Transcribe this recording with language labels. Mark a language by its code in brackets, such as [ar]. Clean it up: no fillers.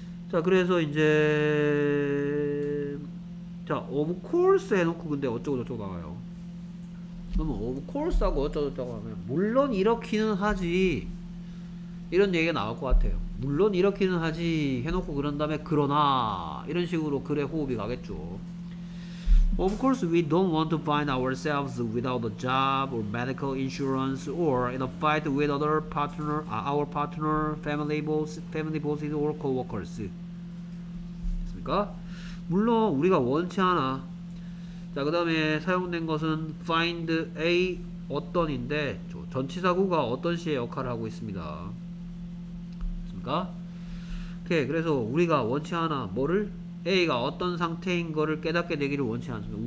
[ko] 자, 그래서 이제 자, of course 해놓고 근데 어쩌고저쩌고 나와요. 그러면 of course하고 어쩌고저쩌고 하면 물론 이렇기는 하지 이런 얘기가 나올 것 같아요. 물론 이렇게는 하지 해놓고 그런 다음에 그러나 이런 식으로 글의 호흡이 가겠죠. [en] Of course, we don't want to find ourselves without a job or medical insurance or in a fight with our partner, family bosses or coworkers. [ko] 됐습니까? 물론 우리가 원치 않아. 자, 그 다음에 사용된 것은 find a 어떤인데 전치사구가 어떤 시의 역할을 하고 있습니다. 오케이. 그래서 우리가 원치 않아. 뭐를? A가 어떤 상태인 거를 깨닫게 되기를 원치 않습니다.